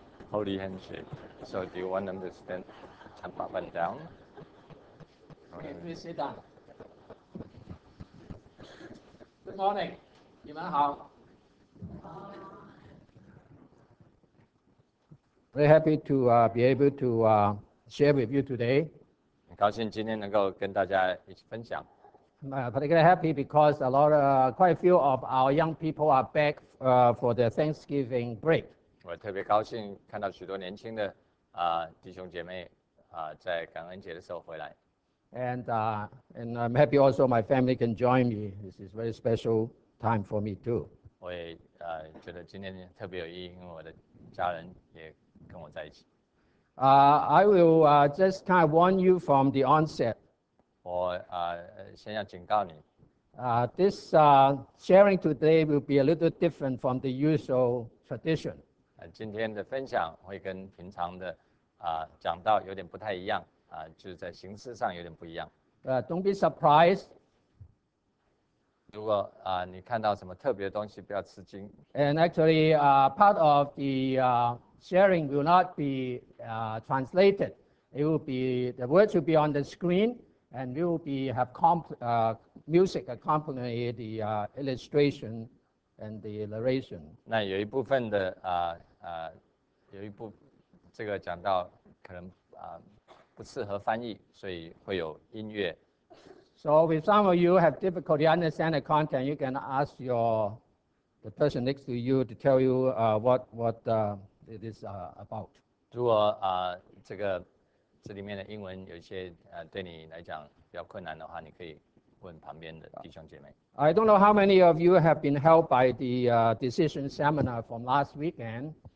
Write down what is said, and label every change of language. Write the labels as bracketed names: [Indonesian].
[English] Holy handshake. So do you want them to stand up and down? Okay, please sit down. Good morning. [Chinese] 你们好. [English] Very happy to be able to share with you today. [Chinese] 很高兴今天能够跟大家一起分享。 [English] Particularly happy because quite a few of our young people are back for the Thanksgiving break. [Chinese] 我特别高兴看到许多年轻的 弟兄姐妹 在感恩节的时候回来。 [English] And I'm happy also my family can join me. This is a very special time for me too. [Chinese] 我也 觉得今天特别有意义，因为我的家人也跟我在一起。 [English] I will just kind of warn you from the onset. [Chinese] 我 先要警告你。 [English] This sharing today will be a little different from the usual tradition. [Chinese] 今天的分享会跟平常的 讲到有点不太一样。就是在形式上有点不一样。 [English] Don't be surprised. [Chinese] 如果 你看到什么特别的东西，不要吃惊。 [English] And actually, part of the sharing will not be translated. It will be the words will be on the screen, and we will be have music accompany the illustration and the narration. [Chinese] 那有一部分的 有一部这个讲到可能 不适合翻译，所以会有音乐。 [English] So if some of you have difficulty understanding the content, you can ask the person next to you to tell you what it is about. [Chinese] 如果 这里面的英文有一些 对你来讲比较困难的话，你可以问旁边的弟兄姐妹。 [English] I don't know how many of you have been helped by the decision seminar from last weekend.